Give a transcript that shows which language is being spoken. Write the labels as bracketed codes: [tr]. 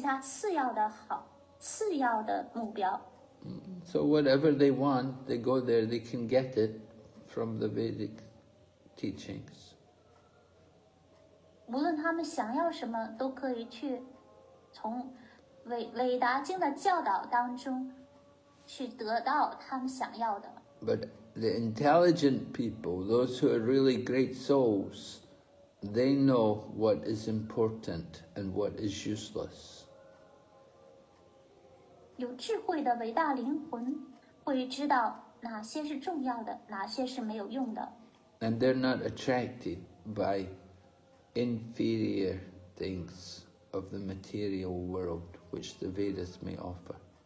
[zh] 有的人会去接近韦达经，他们的目标，他是在除了奉献服务之外的其他次要的目标。 [en] So whatever they want, they go there, they can get it from the Vedic teachings. [zh] 无论他们想要什么，都可以去从韦达经的教导当中去得到他们想要的。 [en] But the intelligent people, those who are really great souls, they know what is important and what is useless. [zh] 有智慧的伟大灵魂会知道哪些是重要的，哪些是没有用的。 [en] And they're not attracted by inferior things of the material world which the Vedas may offer.